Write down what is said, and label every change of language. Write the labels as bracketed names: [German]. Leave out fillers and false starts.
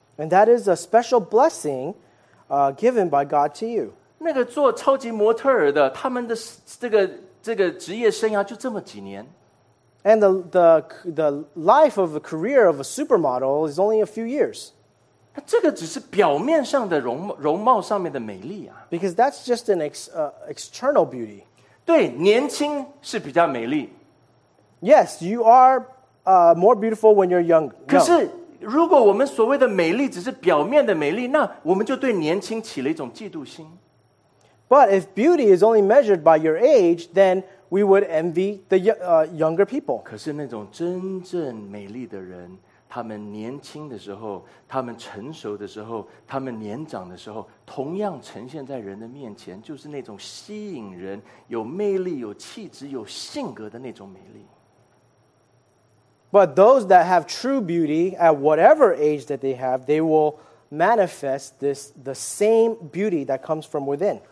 [English] And that is a special blessing, given by God to you. [Chinese] 那个做超级模特儿的，他们的这个职业生涯就这么几年。 [English] And the life of a career of a supermodel is only a few years. [Chinese] 这个只是表面上的容貌上面的美丽啊。 [English] Because that's just an external beauty. [Chinese] 对，年轻是比较美丽。 [English] Yes, you are more beautiful when you're young. [Chinese] 可是如果我们所谓的美丽只是表面的美丽，那我们就对年轻起了一种嫉妒心。 [English] But if beauty is only measured by your age, then we would envy the younger people. [Chinese] 可是那种真正美丽的人，他们年轻的时候，他们成熟的时候，他们年长的时候，同样呈现在人的面前，就是那种吸引人、有魅力、有气质、有性格的那种美丽。 [English] But those that have true beauty, at whatever age that they have, they will manifest this, the same beauty that comes from within.